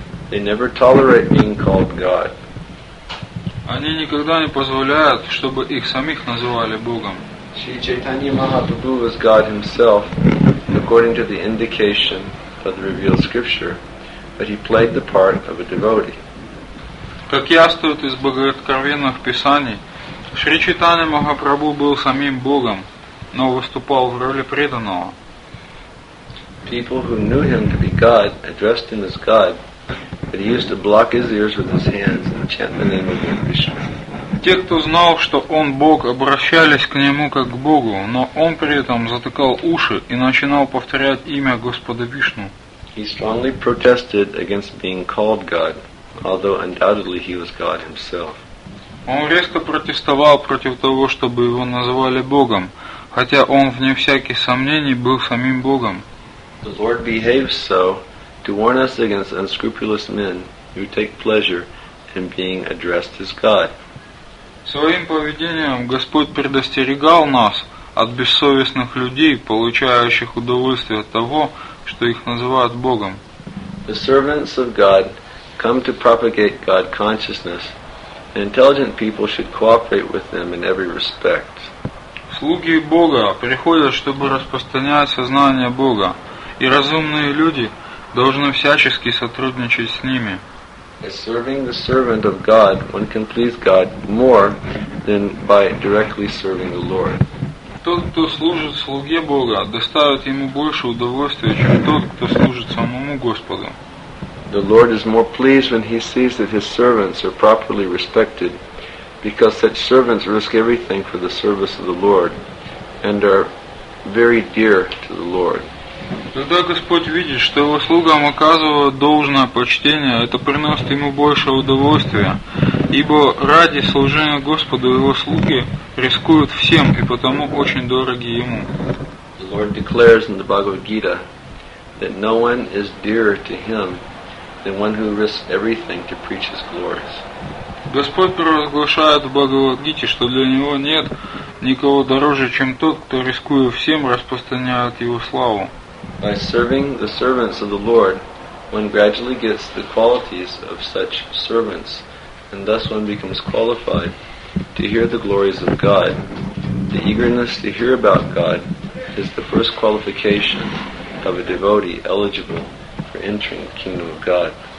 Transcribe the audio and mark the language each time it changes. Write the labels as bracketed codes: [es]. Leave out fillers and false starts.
[en] They never tolerate being called God. [ru] Они никогда не позволяют, чтобы их самих называли Богом. [en] Sri Chaitanya Mahaprabhu was God himself, according to the indication of the revealed scripture, but he played the part of a devotee. [ru] Как ясно из богооткровенных писаний, Шри Чайтанья Махапрабху был самим Богом, но выступал в роли преданного. [en] People who knew him to be God addressed him as God, but he used to block his ears with his hands and chant the name of Krishna. [ru] Те, кто знал, что он Бог, обращались к нему как к Богу, но он при этом затыкал уши и начинал повторять имя Господа Вишну. [en] He strongly protested against being called God, although undoubtedly he was God himself. [ru] Он резко протестовал против того, чтобы его называли Богом, хотя он вне всяких сомнений был самим Богом. [en] The Lord behaves so to warn us against unscrupulous men who take pleasure in being addressed as God. [ru] Своим поведением Господь предостерегал нас от бессовестных людей, получающих удовольствие от того, что их называют Богом. [en] The servants of God come to propagate God consciousness, and intelligent people should cooperate with them in every respect. [ru] Слуги Бога приходят, чтобы распространять сознание Бога, и разумные люди должны всячески сотрудничать с ними. [en] By serving the servant of God, one can please God more than by directly serving the Lord. [ru] Тот, кто служит слуге Бога, доставит ему больше удовольствия, чем тот, кто служит самому Господу. [en] The Lord is more pleased when he sees that his servants are properly respected, because such servants risk everything for the service of the Lord and are very dear to the Lord. [ru] Когда Господь видит, что его слугам оказывают должное почтение, это приносит ему больше удовольствия, ибо ради служения Господу его слуги рискуют всем и потому очень дороги ему. [en] The Lord declares in the Bhagavad Gita that no one is dearer to him than one who risks everything to preach his glories. [ru] Господь провозглашает в Бхагавад-гите, что для него нет никого дороже, чем тот, кто рискуя всем, распространяет его славу. [en] By serving the servants of the Lord, one gradually gets the qualities of such servants, and thus one becomes qualified to hear the glories of God. The eagerness to hear about God is the first qualification of a devotee eligible for entering the kingdom of God.